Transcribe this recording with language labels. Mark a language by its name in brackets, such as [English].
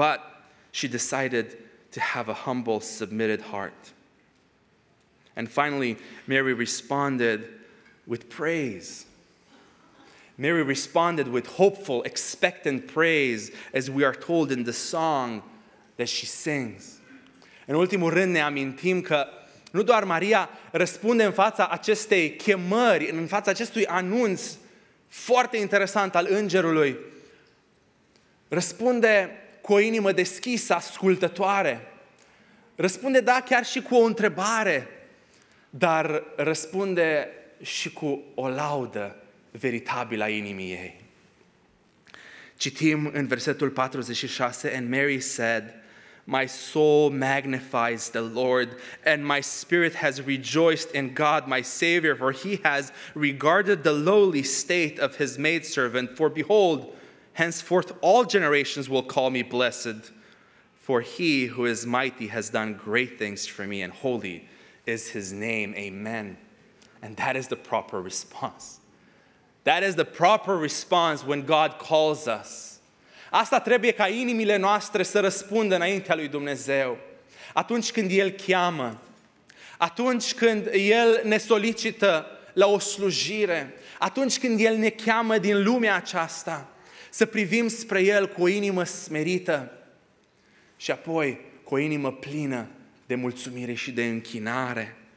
[English] But she decided to have a humble, submitted heart. And finally, Mary responded with praise. Mary responded with hopeful, expectant praise, as we are told in the song that she sings. [Romanian] În ultimul rând ne amintim că nu doar Maria răspunde în fața acestei chemări, în fața acestui anunț foarte interesant al îngerului, răspunde cu o inimă deschisă, ascultătoare. Răspunde, da, chiar și cu o întrebare, dar răspunde și cu o laudă veritabilă a inimii ei. Citim în versetul 46, [English] and Mary said, my soul magnifies the Lord, and my spirit has rejoiced in God my Savior, for he has regarded the lowly state of his maidservant. For behold, henceforth all generations will call me blessed, for he who is mighty has done great things for me, and holy is his name. Amen. And that is the proper response. That is the proper response when God calls us. [Romanian] Asta trebuie ca inimile noastre să răspundă înaintea lui Dumnezeu. Atunci când El cheamă, atunci când El ne solicită la o slujire, atunci când El ne cheamă din lumea aceasta, să privim spre El cu o inimă smerită și apoi cu o inimă plină de mulțumire și de închinare.